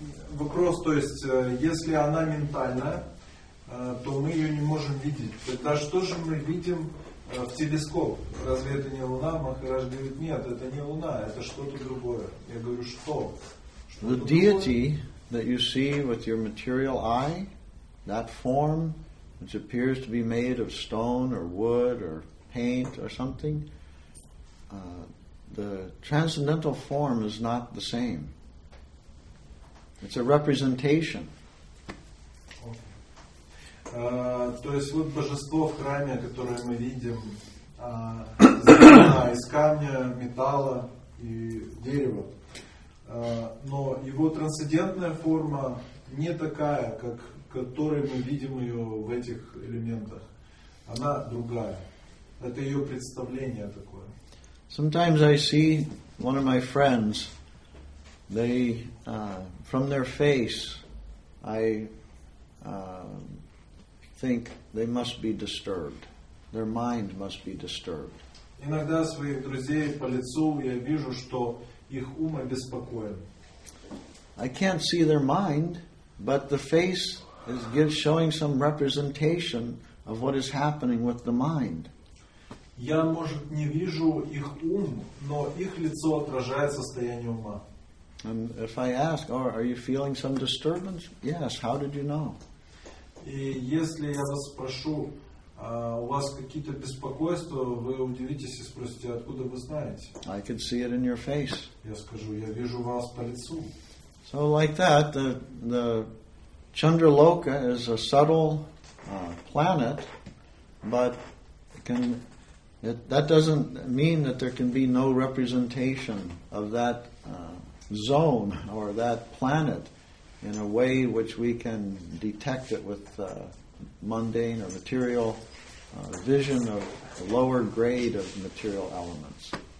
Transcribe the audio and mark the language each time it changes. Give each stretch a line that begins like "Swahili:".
Russian: Вопрос, то есть, если она ментальная, то мы ее не можем видеть. Тогда что же мы видим в телескоп? Разве это не Луна? Махарадж говорит, нет, это не Луна, это что-то другое. Я говорю, что?
English: The deity that you see with your material eye, that form, which appears to be made of stone or wood or paint or something, the transcendental form is not the same. It's a representation.
Russian: То есть вот божество в храме, которое мы видим, сделано из камня, металла и дерева. Но его трансцендентная форма не такая, как которой мы видим ее в этих элементах. Она другая. Это ее представление такое.
English: Sometimes I see one of my friends, they from their face, I think they must be disturbed. Their mind must be disturbed.
Russian: Иногда своих друзей по лицу я вижу, что их ум обеспокоен.
English: I can't see their mind, but the face is showing some representation of what is happening with the mind.
Russian: Я, может, не вижу их ум, но их лицо отражает состояние ума.
English: And if I ask, oh, are you feeling some disturbance? Yes, how did you know?
Russian: И если я вас спрошу, у вас какие-то беспокойства, вы удивитесь и спросите, откуда вы знаете?
English: I can see it in your face.
Russian: Я скажу, я вижу вас по лицу.
English: So like that, the Chandraloka is a subtle planet, but that doesn't mean that there can be no representation of that zone or that planet in a way which we can detect it with mundane or material vision of the lower grade of material elements.